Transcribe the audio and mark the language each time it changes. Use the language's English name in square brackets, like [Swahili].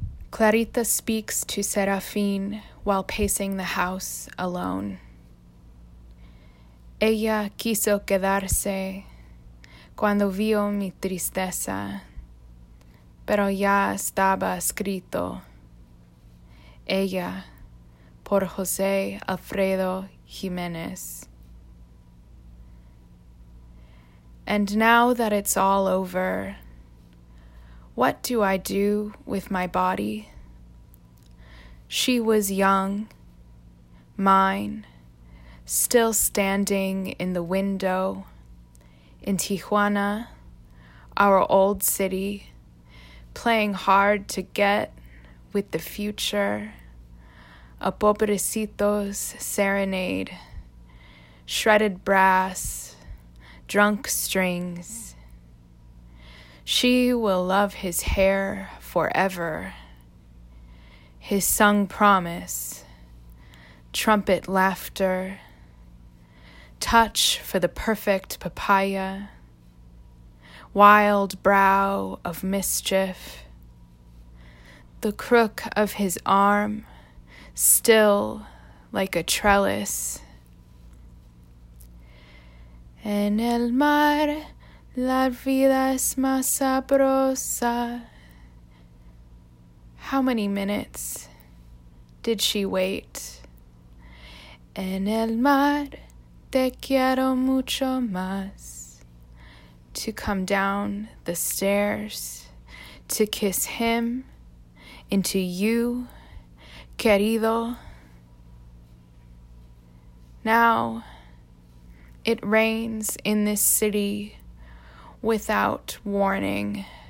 [English] Clarita speaks to Serafine while pacing the house alone. [Spanish] Ella quiso quedarse cuando vio mi tristeza, pero ya estaba escrito. Ella, por José Alfredo Jiménez. [English] And now that it's all over, what do I do with my body? She was young, mine, still standing in the window in Tijuana, our old city, playing hard to get with the future, a pobrecito's serenade, shredded brass, drunk strings. She will love his hair forever. His sung promise, trumpet laughter, touch for the perfect papaya, wild brow of mischief, the crook of his arm, still like a trellis. [Spanish] En el mar, la vida es más sabrosa. [English] How many minutes did she wait? [Spanish] En el mar, te quiero mucho más. [English] To come down the stairs, to kiss him, into you, querido. Now, it rains in this city without warning.